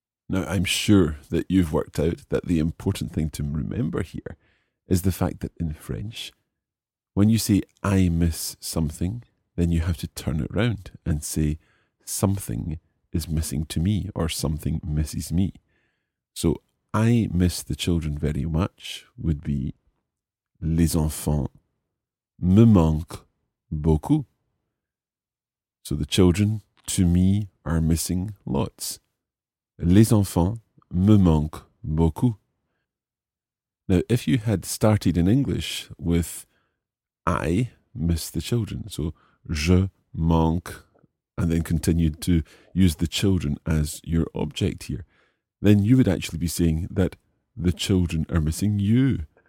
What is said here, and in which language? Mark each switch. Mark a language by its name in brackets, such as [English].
[English] Now, I'm sure that you've worked out that the important thing to remember here is the fact that in French, when you say I miss something, then you have to turn it around and say, something is missing to me, or something misses me. So, I miss the children very much would be, [French] les enfants me manquent beaucoup. [English] So, the children, to me, are missing lots. [French] Les enfants me manquent beaucoup. [English] Now, if you had started in English with, I miss the children, so, [French] je manque [English] and then continued to use the children as your object here, then you would actually be saying that the children are missing you.